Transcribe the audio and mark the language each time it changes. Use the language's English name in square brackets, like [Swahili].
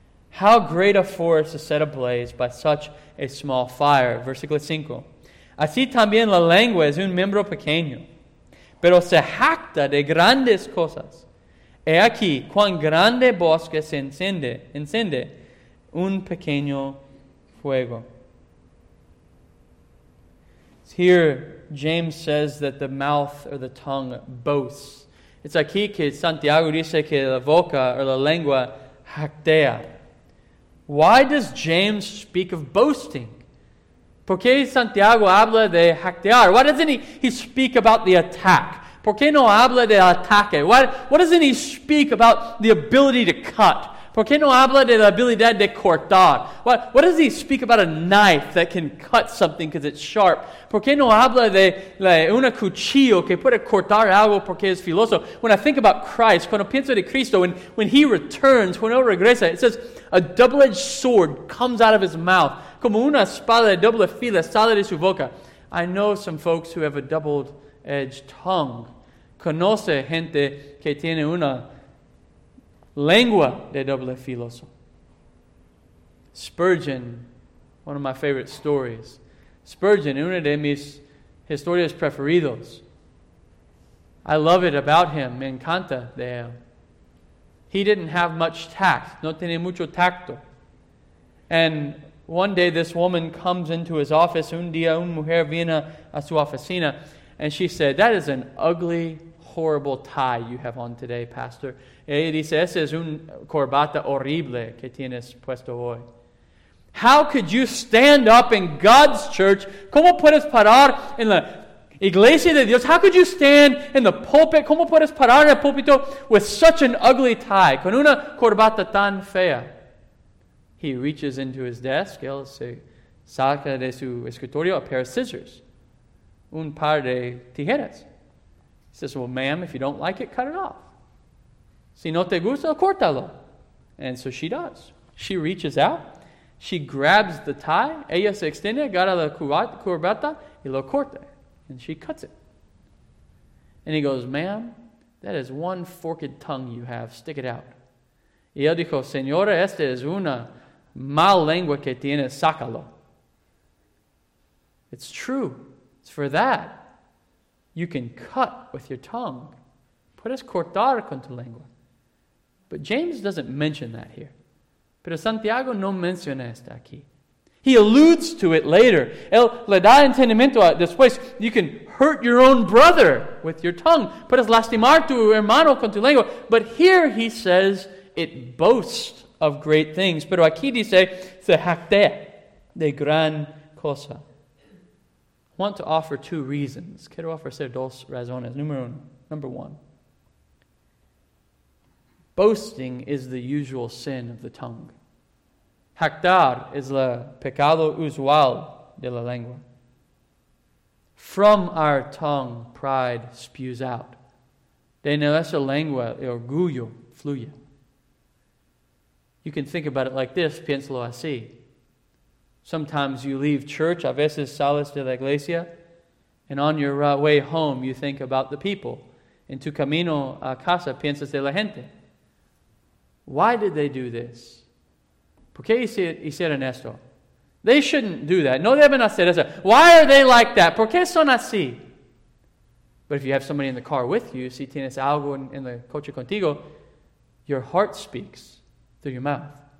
[English] How great a forest is set ablaze by such a small fire. [Spanish] Versículo 5. Así también la lengua es un miembro pequeño, pero se jacta de grandes cosas. He aquí cuán grande bosque se enciende un pequeño fuego. [English] Here, James says that the mouth or the tongue boasts. It's [Spanish] aquí que Santiago dice que la boca or la lengua jactea. [English] Why does James speak of boasting? [Spanish] ¿Por qué Santiago habla de jactar? [English] Why doesn't he speak about the attack? [Spanish] ¿Por qué no habla de ataque? [English] Why doesn't he speak about the ability to cut? [Spanish] ¿Por qué no habla de la habilidad de cortar? [English] What does he speak about a knife that can cut something because it's sharp? [Spanish] ¿Por qué no habla de una cuchillo que puede cortar algo porque es filoso? [English] When I think about Christ, [Spanish] cuando pienso de Cristo, [English] when he returns, [Spanish] cuando regresa, [English] it says a double-edged sword comes out of his mouth. [Spanish] Como una espada de doble fila sale de su boca. [English] I know some folks who have a double-edged tongue. [Spanish] Conoce gente que tiene una lengua de doble filo. [English] Spurgeon, one of my favorite stories. Spurgeon, [Spanish] una de mis historias preferidos. [English] I love it about him. [Spanish] Me encanta de él. [English] He didn't have much tact. [Spanish] No tiene mucho tacto. [English] And one day this woman comes into his office. [Spanish] Un día una mujer viene a su oficina. [English] And she said, "That is an ugly, horrible tie you have on today, Pastor." [Spanish] Ella dice, "Esa es una corbata horrible que tienes puesto hoy." [English] How could you stand up in God's church? [Spanish] ¿Cómo puedes parar en la iglesia de Dios? [English] How could you stand in the pulpit? [Spanish] ¿Cómo puedes parar en el púlpito [English] with such an ugly tie? [Spanish] Con una corbata tan fea. [English] He reaches into his desk. [Spanish] Él se saca de su escritorio [English] a pair of scissors. [Spanish] Un par de tijeras. [English] He says, "Well, ma'am, if you don't like it, cut it off. [Spanish] Si no te gusta, córtalo." [English] And so she does. She reaches out. She grabs the tie. [Spanish] Ella se extiende, agarra la corbata y lo corta. [English] And she cuts it. And he goes, "Ma'am, that is one forked tongue you have. Stick it out." [Spanish] Y ella dijo, "Señora, esta es una mal lengua que tienes. Sácalo." [English] It's true. It's for that. You can cut with your tongue. [Spanish] Puedes cortar con tu lengua. [English] But James doesn't mention that here. [Spanish] Pero Santiago no menciona esto aquí. [English] He alludes to it later. [Spanish] Él le da entendimiento a después. [English] You can hurt your own brother with your tongue. [Spanish] Puedes lastimar tu hermano con tu lengua. [English] But here he says it boasts of great things. [Spanish] Pero aquí dice, se jactea de gran cosa. [English] Want to offer two reasons. [Spanish] Quiero ofrecer dos razones. [English] Number one. Boasting is the usual sin of the tongue. [Spanish] Jactar es el pecado usual de la lengua. [English] From our tongue, pride spews out. [Spanish] De nuestra lengua, el orgullo fluye. [English] You can think about it like this. [Spanish] Piénsalo así. [English] Sometimes you leave church, [Spanish] a veces sales de la iglesia, [English] and on your way home you think about the people. [Spanish] En tu camino a casa piensas de la gente. [English] Why did they do this? [Spanish] ¿Por qué hicieron esto? [English] They shouldn't do that. [Spanish] No deben hacer eso. [English] Why are they like that? [Spanish] ¿Por qué son así? [English] But if you have somebody in the car with you, [Spanish] si tienes algo en el coche contigo, [English] your heart speaks through your mouth.